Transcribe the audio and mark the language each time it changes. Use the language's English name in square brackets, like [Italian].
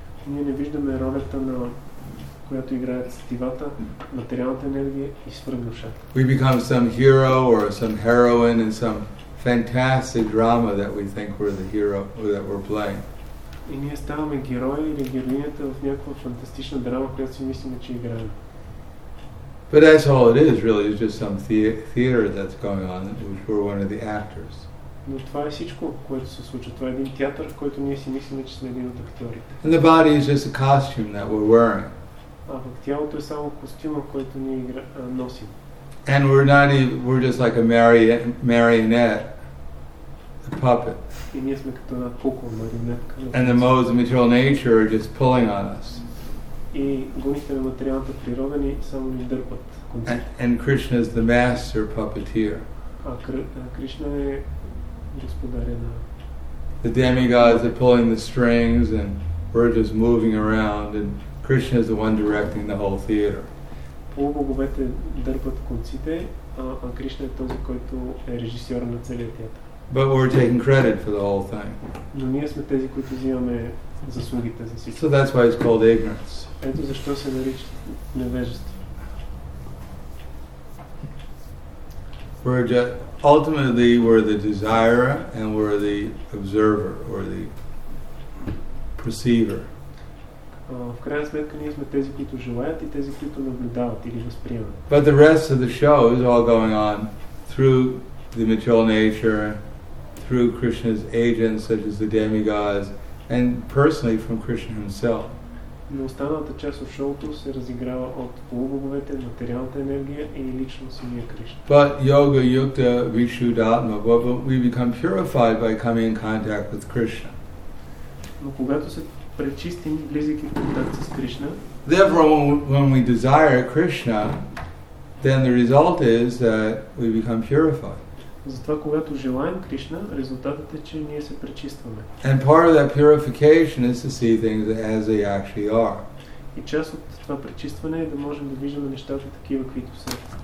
[Bulgarian] Ние не виждаме ролята на която играят сетивата, материалната енергия и свръхдушата. [English] We become some hero or some heroine in some fantastic drama that we think we're the hero or that we're playing. [Bulgarian] И ние ставаме герои или героинята в някаква фантастична драма, която си мислим, че играем. [English] But that's all it is, really. It's just some theater that's going on, which we're one of the actors. [Bulgarian] Но това е всичко, което се случва. Това е един театър, в който ние си мислим, че сме един от актьорите. [English] And the body is just a costume that we're wearing. [Bulgarian] А в тялото е само костюма, който ние носим. [English] And we're just like a marionette, a puppet. [Bulgarian] И ние сме като една кукла, марионетка. [English] And the modes of material nature are just pulling on us. [Bulgarian] И гоните на материалната природа ни само ни дърпат. [English] And Krishna is the master puppeteer. [Bulgarian] А Кришна е господаря на... [English] The demigods are pulling the strings and we're just moving around and Krishna is the one directing the whole theater. [Bulgarian] Полубоговете дърпат конците, а Кришна е този, който е режисьор на целия театър. [English] But we're taking credit for the whole thing. [Bulgarian] Но ние сме тези, които взимаме заслугите за всичко. [English] So that's why it's called ignorance. [Bulgarian] Ето защо се нарича невежество. [English] Ultimately we're the desirer and we're the observer or the perceiver. [Bulgarian] В крайна сметка ние сме тези, които желаят и тези, които наблюдават или възприемат. [English] But the rest of the show is all going on through the material nature, through Krishna's agents such as the demigods, and personally from Krishna himself. [Bulgarian] Но останалата част от шоуто се разиграва от полубоговете, материалната енергия и лично самия Кришна. [English] But [Sanskrit] yoga, yukta, vishuddhatma, [English] we become purified by coming in contact with Krishna. [Bulgarian] Но когато се пречистим, близки контакт с Кришна. [English] Therefore, when we desire Krishna, then the result is that we become purified. [Bulgarian] Затова, когато желаем Кришна, резултатът е, че ние се пречистваме. [English] And part of that purification is to see things as they actually are. [Bulgarian] И част от това пречистване е да можем да виждаме нещата такива, каквито са.